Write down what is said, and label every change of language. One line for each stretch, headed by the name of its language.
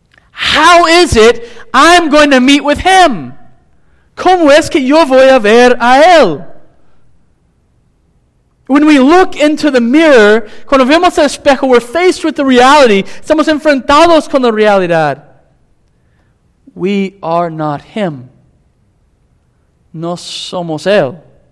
English: How is it I'm going to meet with Him?
Spanish: ¿Cómo es que yo voy a ver a Él?
English: When we look into the mirror,
Spanish: cuando vemos el espejo,
English: we're faced with the reality.
Spanish: Estamos enfrentados con la realidad.
English: We are not Him.
Spanish: No somos Él.